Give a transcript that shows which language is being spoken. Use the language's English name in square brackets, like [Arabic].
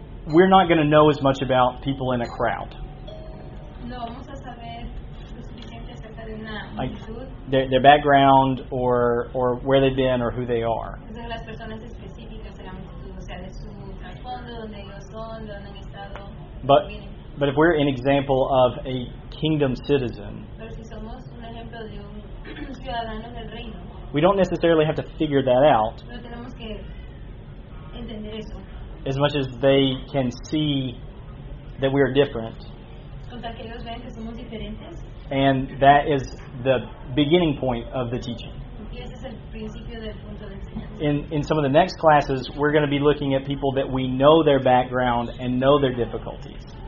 [English] We're not going to know as much about people in a crowd. [Spanish] No vamos a saber lo suficiente acerca de una multitud. [English] Like their background or where they've been or who they are. [Spanish] Las personas específicas de la multitud, o sea, de su trasfondo, donde ellos son, donde han estado. [English] But if we're an example of a kingdom citizen, [Spanish] pero si somos un ejemplo de un ciudadano del reino, [English] we don't necessarily have to figure that out. [Spanish] No tenemos que entender eso. [English] As much as they can see that we are different. [Spanish] Con tal que ellos ven que somos diferentes. [English] And that is the beginning point of the teaching. In some of the next classes, we're going to be looking at people that we know their background and know their difficulties.